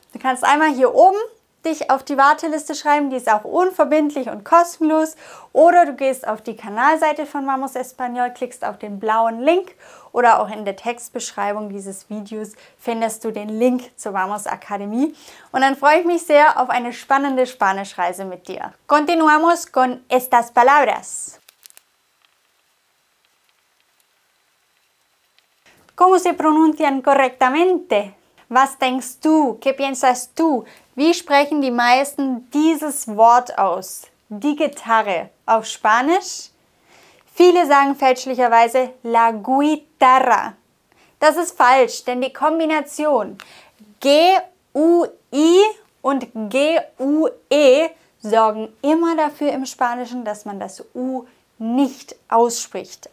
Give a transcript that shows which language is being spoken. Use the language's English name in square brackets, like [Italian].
[German] Du kannst einmal hier oben dich auf die Warteliste schreiben, die ist auch unverbindlich und kostenlos. Oder du gehst auf die Kanalseite von Vamos Español, klickst auf den blauen Link oder auch in der Textbeschreibung dieses Videos findest du den Link zur Vamos Akademie. Und dann freue ich mich sehr auf eine spannende Spanischreise mit dir. [Spanish] Continuamos con estas palabras. ¿Cómo se pronuncian correctamente? [German] Was denkst du? [Spanish] ¿Qué piensas tú? [German] Wie sprechen die meisten dieses Wort aus? Die Gitarre auf Spanisch? Viele sagen fälschlicherweise la guitarra. Das ist falsch, denn die Kombination G-U-I und G-U-E sorgen immer dafür im Spanischen, dass man das U nicht ausspricht.